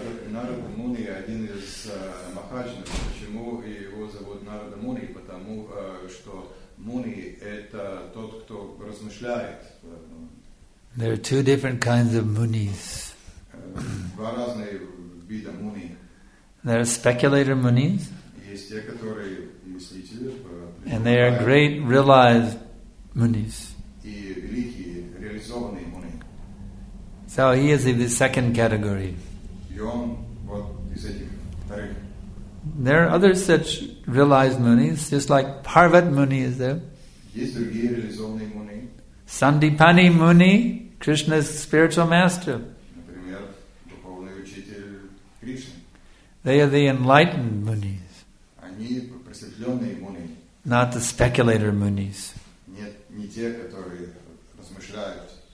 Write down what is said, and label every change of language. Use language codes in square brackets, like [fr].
[en] Narada Muni is one of the Mahajans. Why is he called Narada Muni? Because Muni is the one who [ru] размышляет. [en] There are two different kinds of munis. [ru] Два разные вида муни. [en] There are speculator munis. [ru] Есть те, которые мыслители. [en] And they are great realized munis. [ru] И великие реализованные муни. [en] So he is in the second category. [ru] И он вот из этих вторых. [en] There are other such realized munis, just like Parvat Muni is there. [ru] Есть другие реализованные муни. [en] Sandipani Muni. Krishna's spiritual master. [ru] Например, духовный учитель Кришны. [en] They are the enlightened munis. [ru] Они просветленные муни. [en] Not the speculator munis. [ru] Нет, не те, которые размышляют.